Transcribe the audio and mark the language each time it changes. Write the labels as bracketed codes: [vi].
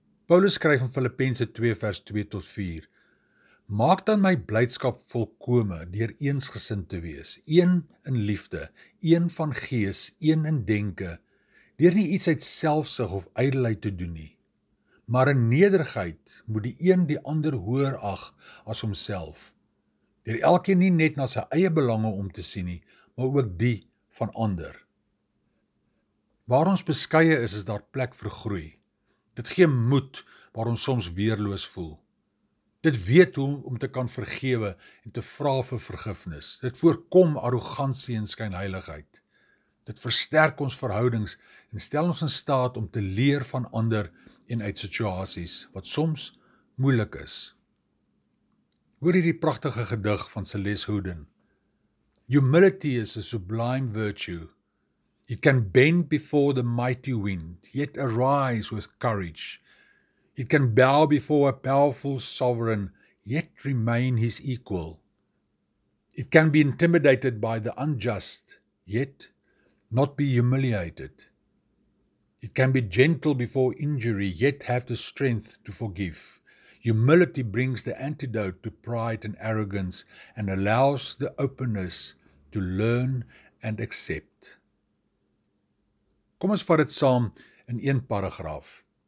[af] Paulus skryf in Filippense 2 vers 2 tot 4: Maak dan my blydskap volkome deur eensgesind te wees, een in liefde, een van gees, een in denke, deur nie iets uit selfsug of ydelheid te doen nie, maar in nederigheid moet die een die ander hoër ag as homself, deur elkeen nie net na sy eie belange om te sien nie, maar ook die van ander. Waar ons beskeie is, is daar plek vir groei. Dit gee moed waar ons soms weerloos voel. Dit weet hoe om te kan vergewe en te vra vir vergifnis. Dit voorkom arrogansie en skynheiligheid. Dit versterk ons verhoudings en stel ons in staat om te leer van ander en uit situasies wat soms moeilik is. Hoor hierdie prachtige gedig van Celeste Houdin: [en] Humility is a sublime virtue. It can bend before the mighty wind, yet arise with courage. It can bow before a powerful sovereign, yet remain his equal. It can be intimidated by the unjust, yet not be humiliated. It can be gentle before injury, yet have the strength to forgive. Humility brings the antidote to pride and arrogance and allows the openness to learn and accept. [af] Kom ons vat dit saam in een paragraaf.